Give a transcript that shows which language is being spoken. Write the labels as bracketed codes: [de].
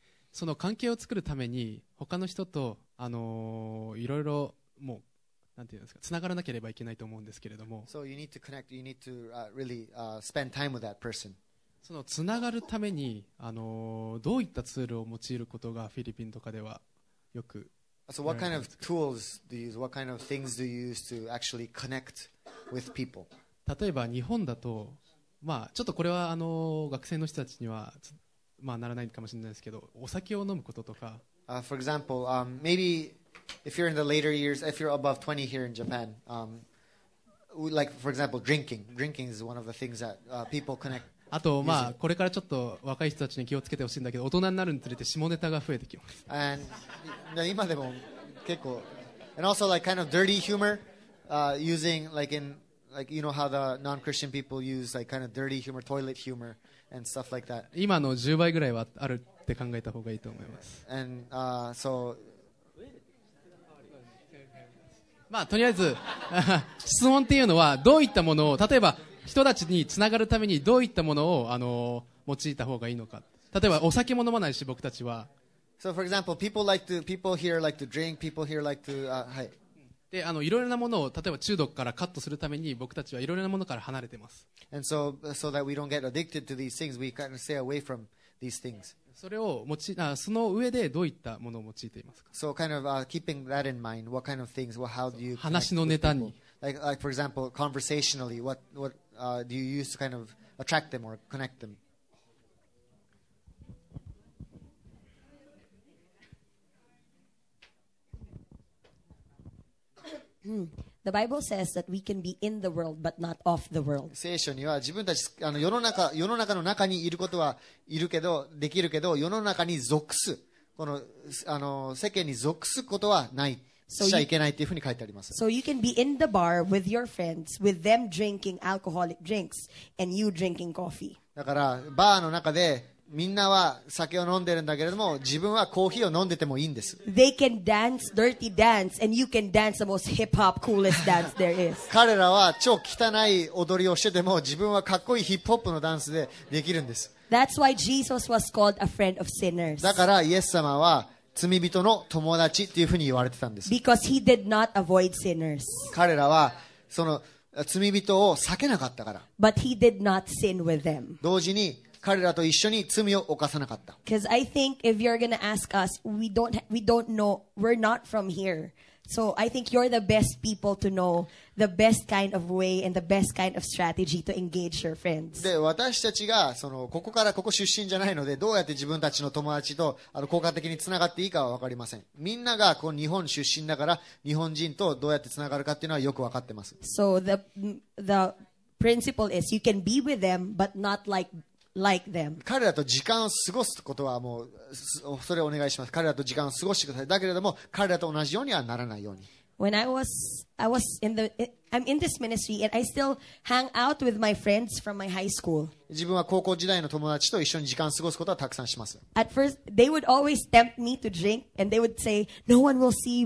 [ja] その関係を作るために他の人と、いろいろもうなんていうんですか、つながらなければいけないと思うんですけれども。 [en] So you need to connect. You need to really spend time with that person. [ja] そのつながるためにどういったツールを用いることがフィリピンとかではよく。 [en] So what kind of tools do you use? What kind of things do you use to actually connect with people? [ja] 例えば日本だと。ちょっとこれは学生の人たちには、ならないかもしれないですけど、お酒を飲むこととか。 [en] For example, maybe if you're in the later years, if you're above 20 here in Japan, like for example, drinking is one of the things that people connect. [ja] あと、これからちょっと若い人たちに気をつけてほしいんだけど、大人になるにつれて下ネタが増えてきます。 And 今でも結構。 [en] And also like kind of dirty humor, using like inLike, you know how the non-Christian people use like kind of dirty humor, toilet humor, and stuff like that. [ja] 今の10倍ぐらいはあるって考えた方がいいと思います。 [en] And so, [ja] とりあえず質問っていうのはどういったものを、例えば人たちにつながるためにどういったものを用いた方がいいのか。例えばお酒も飲まないし僕たちは。 [en] So for example, people like to, people here like to drink, people here like to, はい。 [ja] で、あのいろいろなものを例えば中毒からカットするために僕たちはいろいろなものから離れてます。 [en] And so, so that we don't get addicted to these things, we kind of stay away from these things. [ja] それを持ち、その上でどういったものを用いていますか。 [en] So kind of keeping that in mind, what kind of things, what, how do you [ja] 話のネタに。 [en] Like for example, conversationally, what do you use to kind of attract them or connect them? The Bible says that we can be in the world but not of the world. [ja] 聖書には自分たち世の中の中にいることはいるけどできるけど世の中に属すこの世間に属すことはないしちゃいけないというふうに書いてあります。 [en] So you can be in the bar with your friends, with them drinking alcoholic drinks and you drinking coffee. [ja] だからバーの中でみんなは酒を飲んでるんだけれども自分はコーヒーを飲んでてもいいんです。 [en] They can dance dirty dance and you can dance the most hip hop coolest dance there is. [ja] 彼らは超汚い踊りをしてても自分はかっこいいヒップホップのダンスでできるんです。 [en] That's why Jesus was called a friend of sinners. [ja] だからイエス様は罪人の友達っていうふうに言われてたんです。 [en] Because he did not avoid sinners. [ja] 彼らはその罪人を避けなかったから。 [en] But he did not sin with them. [ja] 同時に彼らと一緒に罪を犯さなかった。 [en] Because I think if you're gonna ask us, we don't know, we're not from here. So I think you're the best people to know the best kind of way and the best kind of strategy to engage your friends. [ja] で、私たちがそのここからここ出身じゃないので、どうやって自分たちの友達と効果的につながっていいかは分かりません。みんながこう日本出身だから日本人とどうやってつながるかっていうのはよく分かってます。 [en] So the principle is you can be with them, but not like. Like、them. [ja] 彼らと時間を過ごすことはもうそれをお願いします。彼らと時間を過ごしてください。だけれども彼らと同じようにはならないように。 [en] When I was in the, I'm in this ministry and I still hang out with my friends from my high school. [ja] 自分は高校時代の友達と一緒に時間を過ごすことはたくさんします。 [en] At first, they would always tempt me to drink and they would say, "No one will see.